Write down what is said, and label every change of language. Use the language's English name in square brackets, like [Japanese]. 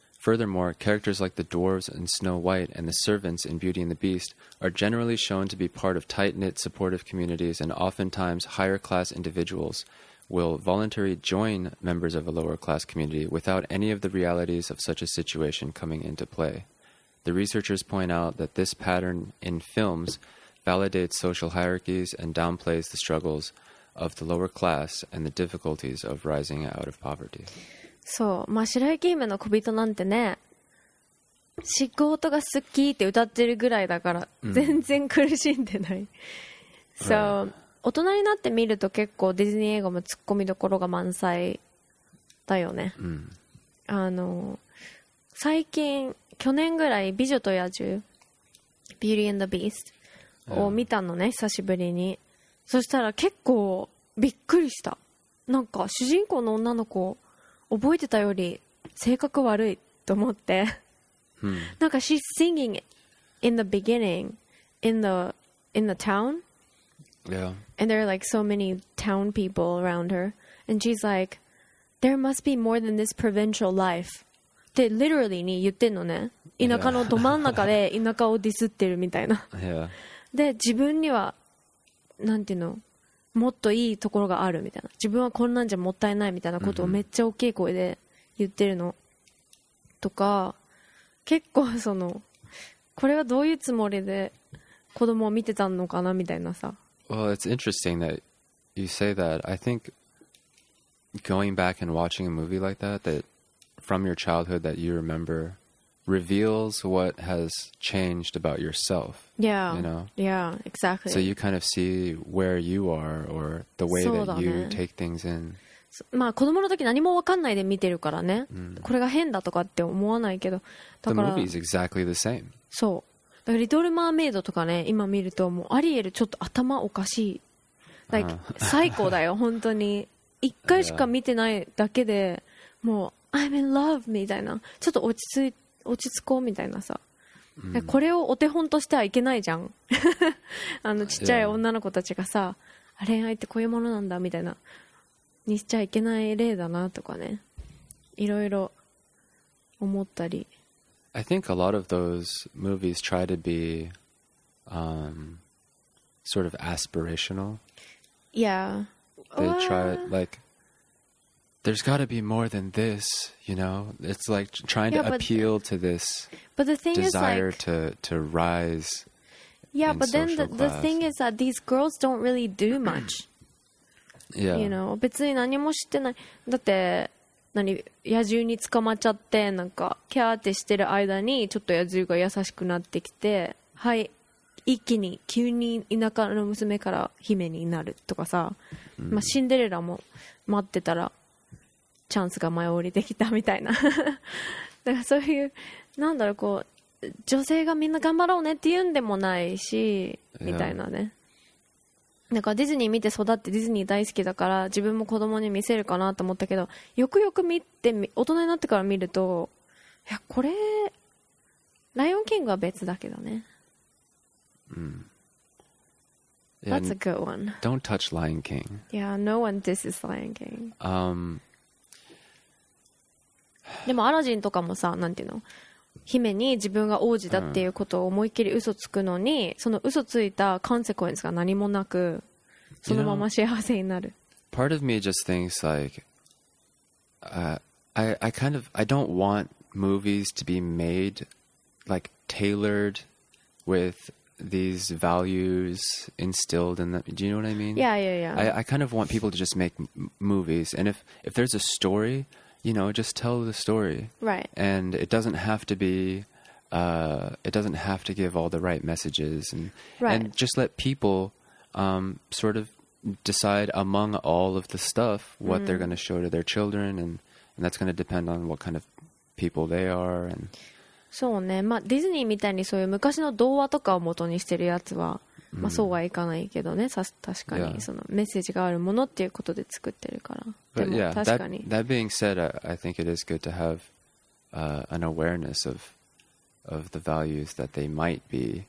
[English] Furthermore, characters like the dwarves in Snow White and the servants in Beauty and the Beast are generally shown to be part of tight-knit supportive communities, and oftentimes higher-class individuals will voluntarily join members of a lower-class community without any of the realities of such a situation coming into play. The researchers point out that this pattern in films validates social hierarchies and downplays the struggles of the lower class and the difficulties of rising out of poverty. [Japanese] そう、まあ、白雪姫の小人なんてね、仕事が好きって歌ってるぐらいだから、全然苦しんでない。 So, 大人になってみると結構ディズニー映画もツッコミどころが満載だよね。あの、最近、去年ぐらい美女と野獣 Beauty and the Beast を見たのね、久しぶりに。そしたら結構びっくりした。なんか主人公の女の子覚えてたより性格悪いと思って、なんか [English] she's singing in the beginning in the town、 yeah. and there are like so many town people around her and she's like there must be more than this provincial lifeって literally [Japanese] に言ってんのね。田舎のど真ん中で田舎をディスってるみたいな。 [English] Yeah. [Japanese] で自分にはなんていうの、もっといいところがあるみたいな、自分はこんなんじゃもったいないみたいなことをめっちゃ大きい声で言ってるの、とか結構そのこれはどういうつもりで子供を見てたのかなみたいなさ。 [English] Well, it's interesting that you say that. I think going back and watching a movie like that thatfrom your childhood that you remember reveals what has changed about yourself. Yeah. You know? Yeah, exactly. So you kind of see where you are or the way that you take things in. [Japanese] まあ子供の時何も分かんないで見てるからね。これが変だとかって思わないけど。 [English] The movie is exactly the same. [Japanese] そう。だからリトルマーメイドとかね、今見るともうアリエルちょっと頭おかしい。 [English] Like, [Japanese] 最高だよ、本当に。一回しか見てないだけでもう [English] I'm in love [Japanese] みたいな、ちょっと落ち着こうみたいなさ、これをお手本としてはいけないじゃんあのちっちゃい女の子たちがさ、恋愛ってこういうものなんだみたいなにしちゃいけない例だなとかね、いろいろ思ったり。 [English] I think a lot of those movies try to be sort of aspirational. Yeah. They try like there's got to be more than this, you know? It's like trying to appeal to this desire to rise. Yeah, but then the thing is that these girls don't really do much. Yeah. You know, [Japanese] 別に何も知ってない。だって、何、野獣に捕まっちゃって、なんか、キャーってしてる間に、ちょっと野獣が優しくなってきて、はい、一気に、急に田舎の娘から姫になるとかさ、まあ、シンデレラも待ってたら、チャンスが舞い降りてきたみたいな。だからそういう、なんだろう、こう、女性がみんな頑張ろうねって言うんでもないし、みたいなね。なんかディズニー見て育ってディズニー大好きだから自分も子供に見せるかなと思ったけど、よくよく見て大人になってから見ると、いやこれライオンキングは別だけどね。 [English] Yeah, That's a good one. Don't touch Lion King. Yeah, no one disses Lion King. [Japanese] でもアラジンとかもさ、なんていうの、姫に自分が王子だっていうことを思いっきり嘘つくのに、その嘘ついたコンセクエンスが何もなく、そのまま幸せになる。 [English] You know, part of me just thinks like, I don't want movies to be made like tailored with these values instilled in them. Do you know what I mean? Yeah, yeah, yeah. I kind of want people to just make movies, and if there's a story. You know, just tell the story. Right. And it doesn't have to be, it doesn't have to give all the right messages. And, right. And just let people sort of decide among all of the stuff what they're going to show to their children. And that's going to depend on what kind of people they are. And... [Japanese] そうね。まあ、ディズニーみたいにそういう昔の童話とかを元にしてるやつは、まあ、そうはいかないけどね、確かに、 [English] yeah. [Japanese] そのメッセージがあるものっていうことで作ってるから。 [English] But、 [Japanese] でも、 [English] yeah, [Japanese] 確かに。 [English] That being said, I think it is good to have、an awareness of the values that they might be、